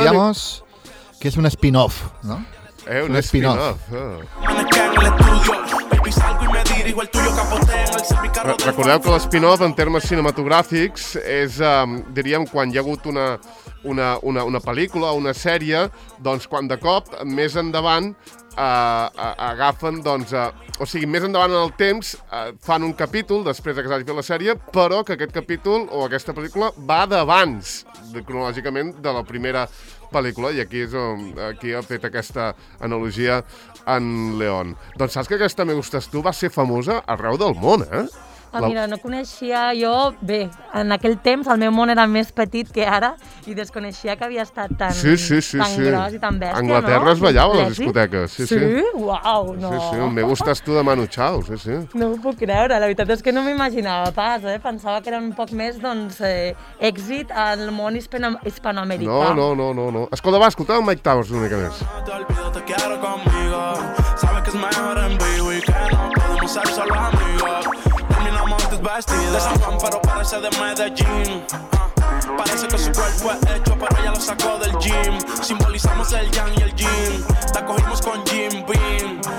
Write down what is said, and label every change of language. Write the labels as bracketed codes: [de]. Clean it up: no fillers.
[es] diríamos que es un spin-off, ¿no? Un spin-off. En el estudio, baby, salgo y me dirijo al tuyo capote en el semicarro. [ca] Recordeu que l'spin-off en termes cinematogràfics és, diríem, quan hi ha hagut una pel·lícula, una sèrie, doncs quan de cop, més endavant, agafen, doncs, o sigui, més endavant en el temps, fan un capítol després que s'hagi fet la sèrie, però que aquest capítol o aquesta pel·lícula va d'abans, cronològicament, de la primera pel·lícula, i aquí és on aquí ha fet aquesta analogia en León. Doncs saps que aquesta Me gustas tú va ser famosa arreu del món, eh? Mira, no coneixia jo... Bé, en aquell temps el meu món era més petit que ara i desconeixia que havia estat tan, sí, gros i tan bèstia, Anglaterra, no? Es ballava a les discoteques. Sí, sí? Uau, no. Sí, sí, Me gustas tú de Manu Chao, sí, sí. No ho puc creure, la veritat és que no m'imaginava pas, eh? Pensava que era un poc més, doncs, èxit al món hispanoamericà. No. Escolta, va, escolta el Mike Towers una mica més. [es] No te olvido, te quiero conmigo. Sabes que es mejor en vivo y que no podemos ser solo amigos. De San Juan, pero parece de Medellín. Parece que su cuerpo es hecho, pero ella lo sacó del gym. Simbolizamos el yang y el yin. La cogimos con Jim Beam.